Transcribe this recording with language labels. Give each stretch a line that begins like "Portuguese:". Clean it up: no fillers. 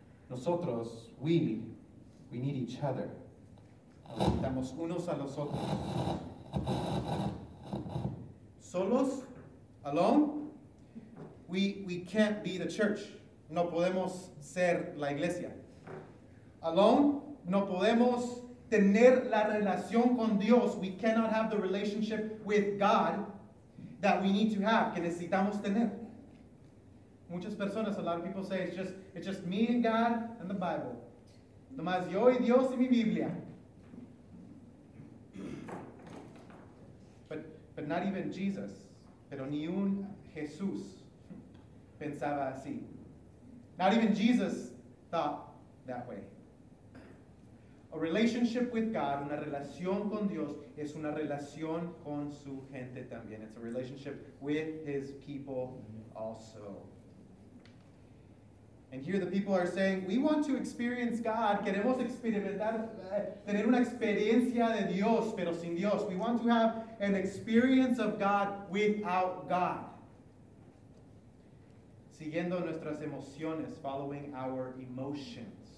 Spanish: Nosotros,
English: we need each other.
Spanish: Necesitamos unos a los otros.
English: Solos, alone, we can't be the church.
Spanish: No podemos ser la iglesia. Alone, no podemos tener la relación con Dios.
English: We cannot have the relationship with God that we need to have,
Spanish: que necesitamos tener. Muchas personas,
English: a lot of people say, it's just me and God and the Bible.
Spanish: Nomás yo y Dios y mi Biblia.
English: But not even Jesus,
Spanish: pero ni un Jesús pensaba así.
English: Not even Jesus thought that way. A relationship with God,
Spanish: una relación con Dios,
English: es una relación con su gente también. It's a relationship with his people also. And here the people are saying, we want to experience God.
Spanish: Queremos experimentar, tener una experiencia de Dios, pero sin Dios.
English: We want to have an experience of God without God.
Spanish: Siguiendo nuestras emociones,
English: following our emotions.